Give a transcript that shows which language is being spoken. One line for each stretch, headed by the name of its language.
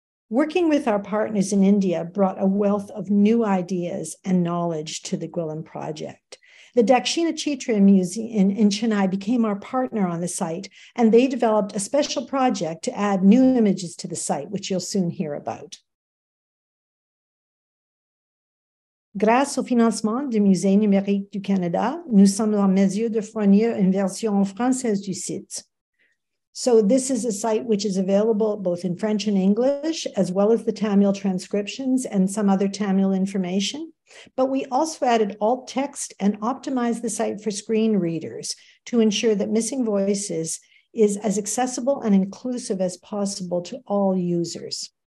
English: Working with our partners in India brought a wealth of new ideas and knowledge to the Gwillim Project. The DakshinaChitra Museum in Chennai became our partner on the site, and they developed a special project to add new images to the site, which you'll soon hear about.
French: Grâce au financement du Musée numérique du Canada, nous sommes en mesure de fournir une version française du site.
English: So this is a site which is available both in French and English, as well as the Tamil transcriptions and some other Tamil information. But we also added alt text and optimized the site for screen readers to ensure that Missing Voices is as accessible and inclusive as possible to all users.